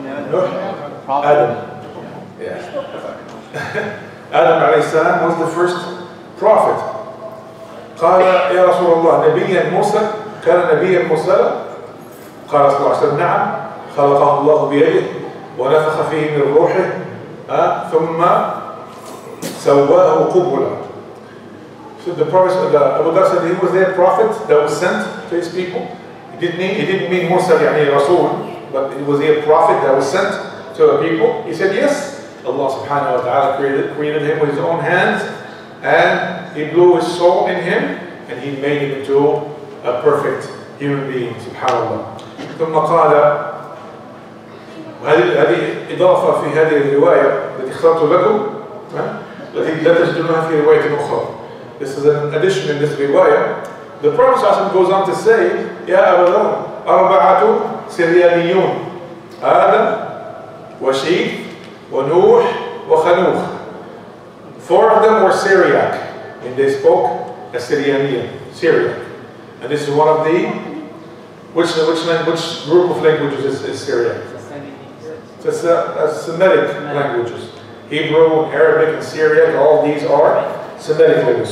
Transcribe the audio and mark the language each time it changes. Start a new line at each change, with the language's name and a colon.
English: Nuh? Adam. Yeah. Adam alayhi salam was the first prophet.
Arabic: قال يا رسول الله نبيا موسى كان نبيا موسى. قال صلى الله عليه وسلم نعم خلقه الله بيده ونفخ فيه من روحه ثم سواه قبلا.
English: So the Prophet, Abu Dhar said he was their prophet that was sent to his people. He didn't mean Musa,
Arabic: يعني رسول,
English: but it was their prophet that was sent to a people. He said yes, Allah subhanahu wa ta'ala created him with his own hands and he blew his soul in him and he made him into a perfect human being, subhanAllah.
Arabic: ثم قال هذه إضافة في هذه الرواية التي اخترت لكم التي لا تجدونها في رواية أخرى.
English: This is an addition in this riwaya. The Prophet goes on to say,
Arabic: يا أبا ذر أربعة سريانيون آدم وشيث ونوح وخنوخ.
English: Four of them were Syriac and they spoke Assyrian, Syriac. And this is one of the Which group of languages is Syria? Semitic languages. Hebrew, Arabic, and Syriac, all these are Semitic languages.